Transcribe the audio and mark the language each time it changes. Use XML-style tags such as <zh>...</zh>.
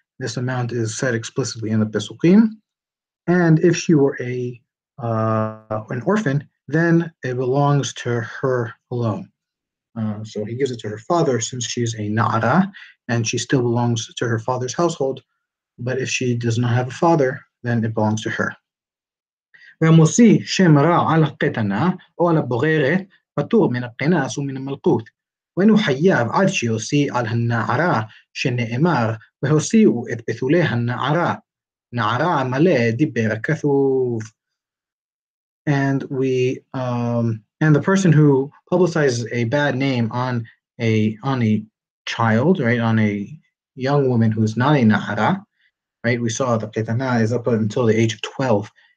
<en>This amount is said explicitly in the Pesukim. And if she were an orphan, then it belongs to her alone. So he gives it to her father since she's a Na'ara, and she still belongs to her father's household. But if she does not have a father, then it belongs to her.</en> <he>V'amosi shem ra al ha'ketana o al ha'boreret, פטור מן הקנס ומן המלכות. ואין הוא חייב עד שיוציא על הנערה שנאמר, והוציאו את בתולי הנערה. נערה מלא דיבר כתוב.</he> <en>And we and the person who publicizes a bad name on a child, right, on a young woman who is not a na'ara, right, we saw the ketana is up until the age of 12.</en>